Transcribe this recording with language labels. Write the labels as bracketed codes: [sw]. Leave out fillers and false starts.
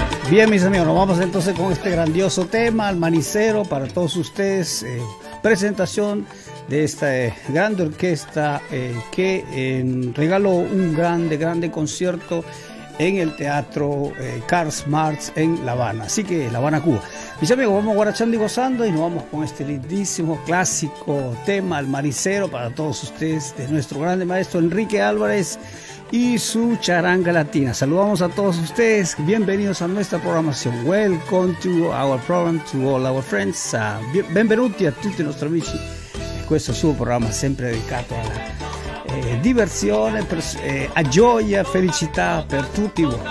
[es] Bien, mis amigos, nos vamos entonces con este grandioso tema, el manicero, para todos ustedes, presentación de esta grande orquesta regaló un grande concierto en el Teatro Karl Marx en La Habana, así que La Habana, Cuba. Mis amigos, vamos guarachando y gozando y nos vamos con este lindísimo clásico tema, el manicero, para todos ustedes, de nuestro grande maestro Enrique Álvarez y su charanga latina. Saludamos a todos ustedes, bienvenidos a nuestra programación. [en] Welcome to our program, to all our friends. [it] Benvenuti a tutti i nostri amici. Questo è il suo programma, sempre dedicato alla diversione, a gioia, felicità per tutti voi.